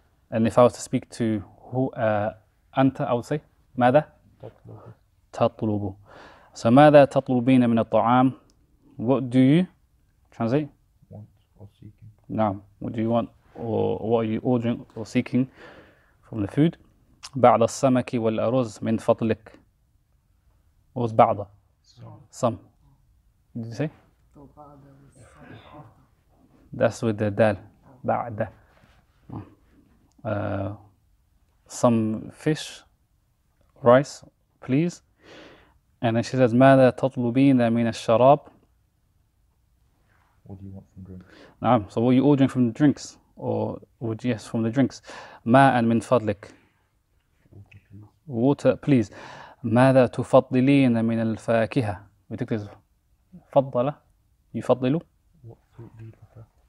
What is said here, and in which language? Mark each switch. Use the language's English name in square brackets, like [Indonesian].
[English] And if I was to speak to who, أنت, I would say, ماذا? [Arabic] تطلب. So ماذا تطلبين من الطعام? [English] What do you translate? Want or seeking. [Arabic] نعم. [English] What do you want or what are you ordering or seeking from the food? [Arabic] بعض السمك والأرز من فضلك. [English] What was بعض? Some. Did you say? That's with the dal. بعض. Some fish, rice, please. And then she says, [Arabic] ماذا تطلبين من الشراب? [English] What do you want from drinks? [Arabic] نعم. [English] So what are you ordering from the drinks? Or would you ask from the drinks? [Arabic] ماء من فضلك. [English] Water, please. [Arabic] ماذا تفضلين من الفاكهة? [English] We take this. [Arabic] فضل. يفضل. [English] What fruit do you prefer?